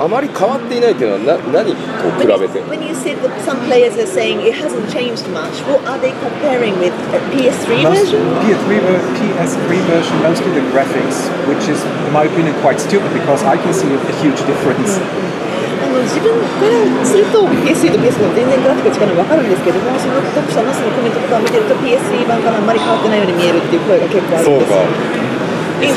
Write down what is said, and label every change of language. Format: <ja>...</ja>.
<ja>あまり変わっていないというのは何と比べて?</ja> <en>When you said that some players are saying it hasn't changed much, what are they comparing with a PS3 version? PS3 version, mostly the graphics, which is, in my opinion, quite stupid because I can see a huge difference. Mm-hmm.</en> <ja>自分からすると、PS3とPS4は全然グラフィックの力は分かるんですけども、その読者のコメントとか見てると、PS3版からあんまり変わってないように見えるっていう声が結構ある。そうか。</ja> <en>It's</en>